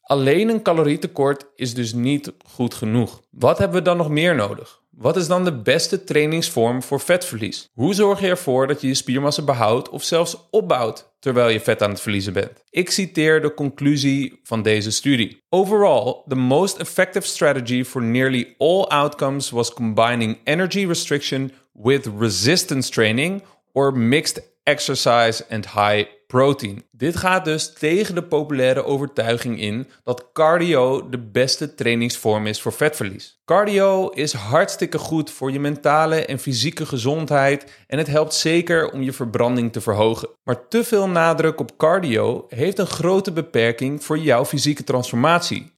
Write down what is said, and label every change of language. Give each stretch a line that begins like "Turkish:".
Dutch: Alleen een calorietekort is dus niet goed genoeg. Wat hebben we dan nog meer nodig? Wat is dan de beste trainingsvorm voor vetverlies? Hoe zorg je ervoor dat je je spiermassa behoudt of zelfs opbouwt terwijl je vet aan het verliezen bent? Ik citeer de conclusie van deze studie.
English: Overall, the most effective strategy for nearly all outcomes was combining energy restriction with resistance training or mixed exercise and high protein.
Dutch: Dit gaat dus tegen de populaire overtuiging in dat cardio de beste trainingsvorm is voor vetverlies. Cardio is hartstikke goed voor je mentale en fysieke gezondheid en het helpt zeker om je verbranding te verhogen. Maar te veel nadruk op cardio heeft een grote beperking voor jouw fysieke transformatie.